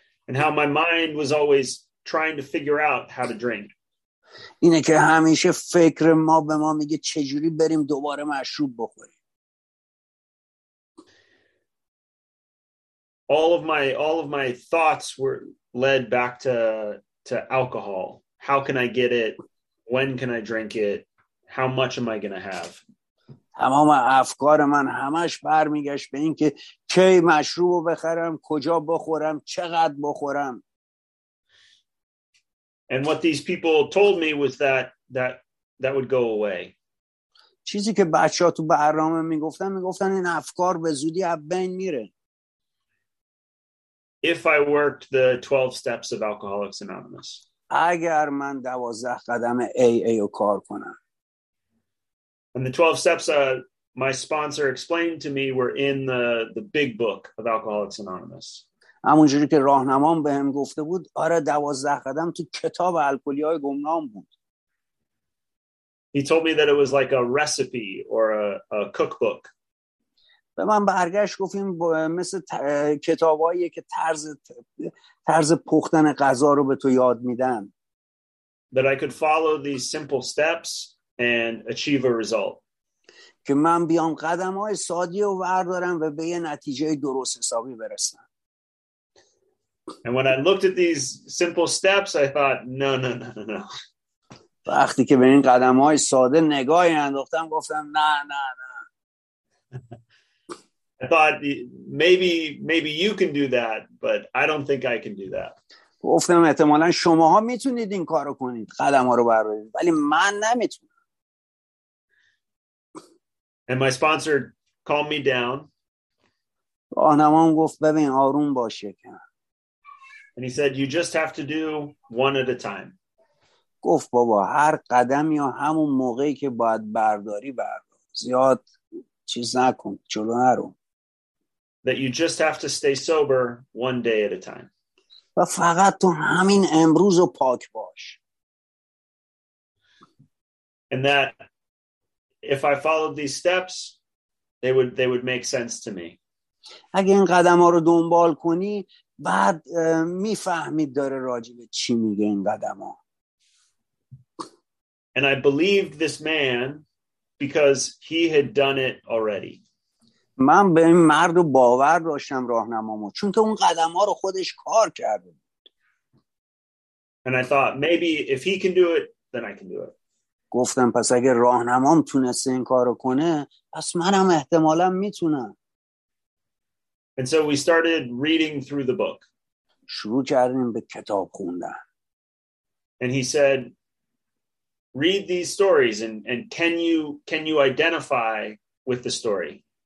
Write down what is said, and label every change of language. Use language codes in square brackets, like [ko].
[en] And how my mind was always trying to figure out how to drink. [fa] اینه که همیشه فکر ما به ما میگه چجوری بریم دوباره مشروب بخوریم. [en] All of my thoughts were led back to alcohol. How can I get it? When can I drink it? How much am I going to have? [fa] تمام افکار من همش برمیگشت به این که کی مشروب بخرم، کجا بخورم، چقدر بخورم. [en] And what these people told me was that would go away. [fa] چیزی که بچه‌ها تو برنامه میگفتن، میگفتن این افکار به زودی از بین میره. [en] If I worked the 12 steps of Alcoholics Anonymous. [fa] اگر من 12 قدم AA رو کار کنم. [en] And the 12 steps my sponsor explained to me were in the big book of Alcoholics Anonymous. [fa] همونجوری که راهنمام بهم گفته بود، آره 12 قدم تو کتاب الکلی‌های گمنام بود. [en] He told me that it was like a recipe or a cookbook. [fa] به من برگشت گفتیم مثل کتابایی که طرز پختن غذا رو به تو یاد میدن. [en] That I could follow these simple steps and achieve a result. [fa] که من بیام قدم‌های ساده رو بردارم و به یه نتیجه درست حسابی برسم. [en] And when I looked at these simple steps, I thought, no. [fa] وقتی که به این قدم‌های ساده نگاهی انداختم گفتم نه. [en] I thought maybe you can do that, but I don't think I can do that. [fa] گفتم احتمالاً شماها میتونید این کارو کنید، قدم‌ها رو بردارید، ولی من نمیتونم. [en] And my sponsor calmed me down. [fa] راهنمام گفت ببین آروم باش یکم. [en] And he said, "You just have to do one at a time." [fa] گفت بابا هر قدم یا همون موقعی که باید برداری بردار. زیاد چیز نکن. جلو نرو. [en] That you just have to stay sober one day at a time. [fa] و فقط تو همین امروز و پاک باش. [en] And that if I followed these steps, they would make sense to me. [fa] اگه این قدم‌ها رو دنبال کنی، بعد میفهمید داره راجع به چی میگه این قدم ها. [en] And I believed this man because he had done it already. [fa] من به این مرد رو باور داشتم راهنمامو، چون که اون قدم ها رو خودش کار کرده بود. [en] And I thought maybe if he can do it, then I can do it. [fa] گفتم پس اگه راهنمام تونست این کار رو کنه، پس منم احتمالا میتونم. [en] And so we started reading through the book. [fa] شروع کردیم به کتاب خوندن. [en] And he said, "Read these stories, and can you identify with the story?"